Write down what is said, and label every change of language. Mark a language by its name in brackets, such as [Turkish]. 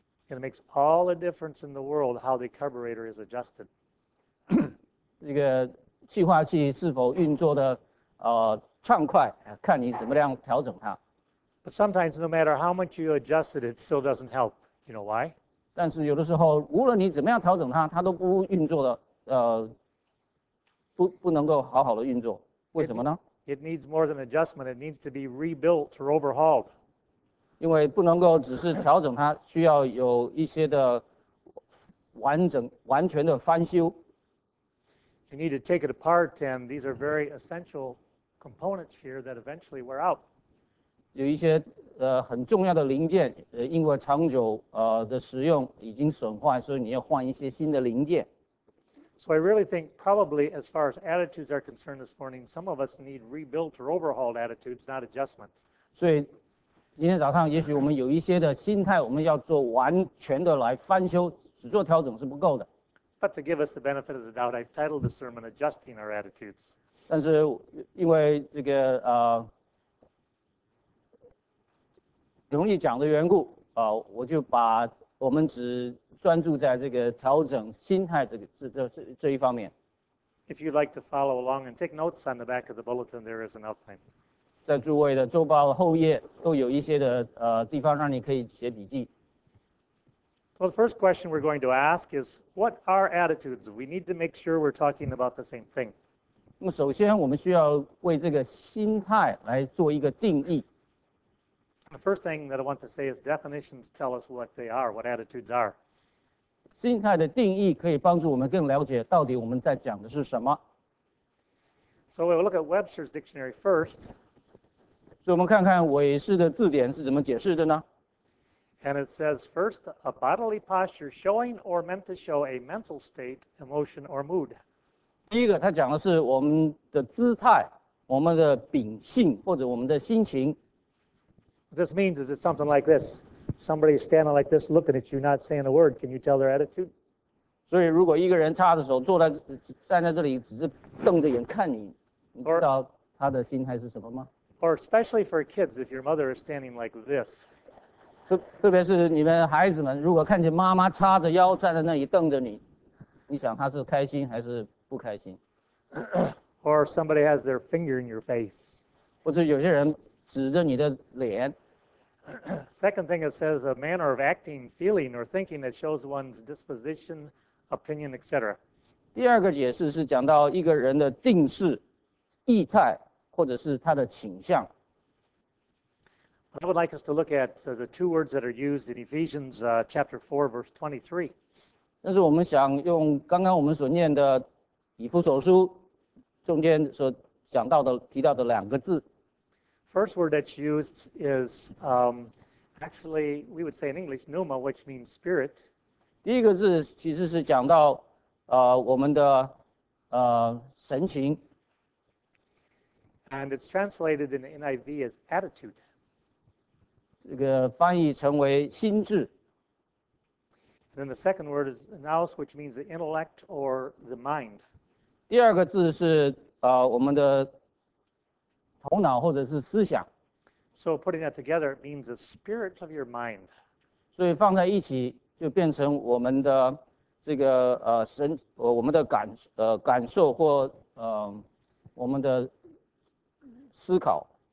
[English] It makes all the difference in the world how the carburetor is adjusted. [Chinese] 这个气化器是否运作的畅快，看你怎么样调整它。 [English] But sometimes, no matter how much you adjust it, it still doesn't help. You know why? [Chinese] 但是有的时候，无论你怎么样调整它，它都不运作的，不能够好好的运作。为什么呢？ [English] It needs more than adjustment. It needs to be rebuilt or overhauled. [Chinese] 因为不能够只是调整它，需要有一些的完全的翻修。 [English] You need to take it apart, and these are very essential components here that eventually wear out. [Chinese] 有一些很重要的零件，因为长久的使用已经损坏，所以你要换一些新的零件。 [English] So I really think probably as far as attitudes are concerned this morning, some of us need rebuilt or overhauled attitudes, not adjustments. [Chinese] 所以今天早上也许我们有一些的心态，我们要做完全的来翻修，只做调整是不够的。 [English] But to give us the benefit of the doubt, I've titled the sermon Adjusting Our Attitudes. [Chinese] 但是因为这个容易讲的缘故我就把我们只专注在这个调整心态这一方面。 [English] If you'd like to follow along and take notes on the back of the bulletin, there is an outline. [Chinese] 在诸位的周报后页都有一些的地方让你可以写笔记。 [English] So the first question we're going to ask is, what are attitudes? We need to make sure we're talking about the same thing. [Chinese] 那么首先我们需要为这个心态来做一个定义。 [English] The first thing that I want to say is definitions tell us what they are, what attitudes are. [Chinese] 心态的定义可以帮助我们更了解到底我们在讲的是什么。 [English] So we'll look at Webster's dictionary first. [Chinese] 所以我们看看韦氏的字典是怎么解释的呢？ [English] And it says, first, a bodily posture showing or meant to show a mental state, emotion, or mood. [Chinese] 第一个，它讲的是我们的姿态，我们的秉性，或者我们的心情。 [English] What this means is it's something like this. Somebody is standing like this looking at you, not saying a word. Can you tell their attitude? [Chinese] 所以如果一个人插着手坐在站在这里只是瞪着眼看你，你知道他的心态是什么吗？ [English] Or especially for kids, if your mother is standing like this. [Chinese] 特别是你们孩子们，如果看见妈妈插着腰站在那里瞪着你，你想她是开心还是不开心？ [English] Or somebody has their finger in your face. [Chinese] 或者有些人指着你的脸。 [English] Second thing it says, a manner of acting, feeling, or thinking that shows one's disposition, opinion, etc. [Chinese] 第二个解释是讲到一个人的定势、意态，或者是他的倾向。 [English] I would like us to look at the two words that are used in Ephesians chapter 4, verse 23. [Chinese] 但是我们想用刚刚我们所念的以弗所书中间所讲到的、提到的两个字。 [English] First word that's used is actually we would say in English pneuma, which means spirit. [Chinese] 第一个字其实是讲到我们的神情。 [English] And it's translated in NIV as attitude. [Chinese] 这个翻译成为心智。 [English] And then the second word is nous, which means the intellect or the mind. [Chinese] 第二个字是我们的头脑或者是思想。 [English] So putting that together, it means the spirit of your mind. [Chinese] 所以放在一起，就变成我们的这个神，我们的感受或我们的思考。